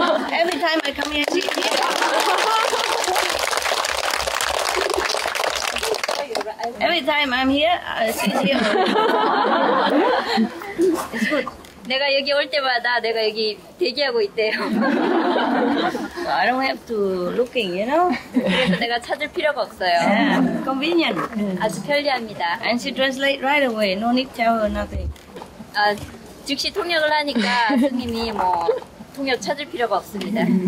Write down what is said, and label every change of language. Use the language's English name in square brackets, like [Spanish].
[English] Every time I come here, she can hear. Every time I'm here, she's here. It's good. [Korean] 내가 여기 올 때마다 내가 여기 대기하고 있대요. [English] So I don't have to looking, you know? [Korean] 그래서 내가 찾을 필요가 없어요. [English] Yeah, convenient. [Korean] 아주 편리합니다. [English] And she translate right away, no need to tell her nothing. [Korean] 아, 즉시 통역을 하니까 스님이 뭐 통역 찾을 필요가 없습니다.